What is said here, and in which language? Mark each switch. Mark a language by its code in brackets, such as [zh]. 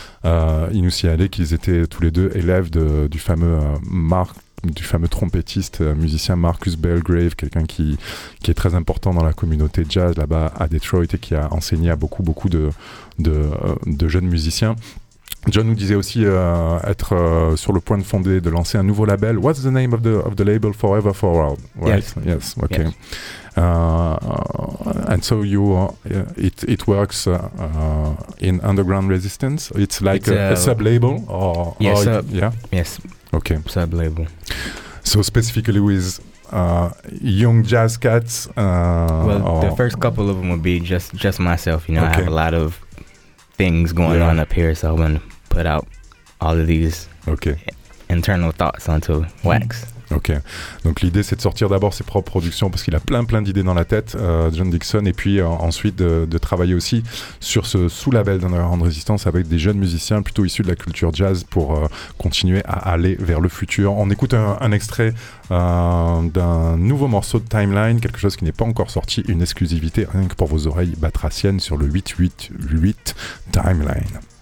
[fr] Il nous signalait qu'ils étaient tous les deux élèves du fameux trompettiste, musicien Marcus Belgrave, quelqu'un qui est très important dans la communauté jazz là-bas à Detroit et qui a enseigné à beaucoup de jeunes musiciens. John nous disait aussi être sur le point de fonder, de lancer un nouveau label. [en] What's the name of the label? Forever Forward, right? Yes. Okay. Yes. And so you, it works in underground resistance. It's like it's a sub-label? Yes. Okay. Sub-label. So specifically with young jazz cats? The first couple of them would be just myself. You know, okay. I have a lot of things going on up here, so I'm going to put out all of these internal thoughts onto wax. [fr] Ok, donc l'idée c'est de sortir d'abord ses propres productions parce qu'il a plein d'idées dans la tête, John Dixon, et puis ensuite de travailler aussi sur ce sous-label d'Underground Resistance avec des jeunes musiciens plutôt issus de la culture jazz pour continuer à aller vers le futur. On écoute un extrait d'un nouveau morceau de Timeline, quelque chose qui n'est pas encore sorti, une exclusivité rien que pour vos oreilles batraciennes sur le 888 Timeline.